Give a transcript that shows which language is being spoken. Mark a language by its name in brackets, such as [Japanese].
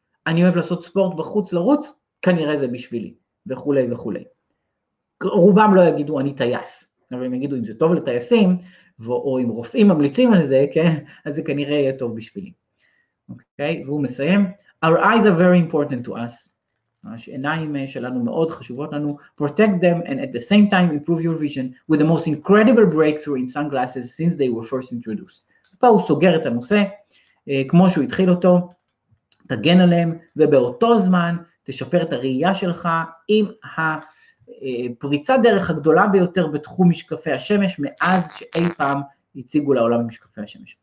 [Hebrew] אני אוהב לעשות ספורט בחוץ לרוץ, כנראה זה בשבילי, וכולי וכולי. רובם לא יגידו, אני טייס. אבל אם יגידו, אם זה טוב לטייסים, או אם רופאים ממליצים על זה, כן? אז זה כנראה יהיה טוב בשבילי. אוקיי? והוא מסיים, [English] our eyes are very important to us. [Hebrew] העיניים שלנו מאוד חשובות לנו. [English] Protect them and at the same time improve your vision with the most incredible breakthrough in sunglasses since they were first introduced. [Hebrew] פה הוא סוגר את הנושא, כמו שהוא התחיל אותו, תגן עליהם, ובאותו זמן תשפר את הראייה שלך עם הפריצה דרך הגדולה ביותר בתחום משקפי השמש, מאז שאי פעם הציגו לעולם משקפי השמש.